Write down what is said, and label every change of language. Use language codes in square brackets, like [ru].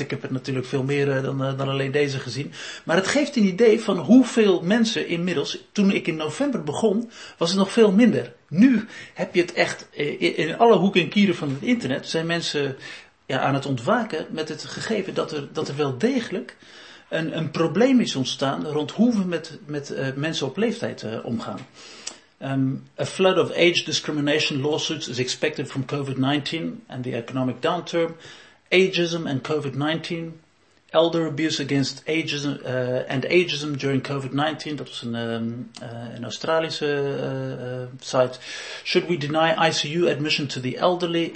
[nl] Ik heb er natuurlijk veel meer dan alleen deze gezien. Maar het geeft een idee van hoeveel mensen inmiddels, toen ik in november begon, was het nog veel minder. Nu heb je het echt in alle hoeken en kieren van het internet zijn mensen aan het ontwaken met het gegeven dat er wel degelijk een probleem is ontstaan rond hoe we met mensen op leeftijd omgaan. [en] A flood of age discrimination lawsuits is expected from COVID-19 and the economic downturn. Ageism and COVID-19. Elder abuse against ageism and ageism during COVID-19. [nl] Dat was een Australische site. [en] Should we deny ICU admission to the elderly?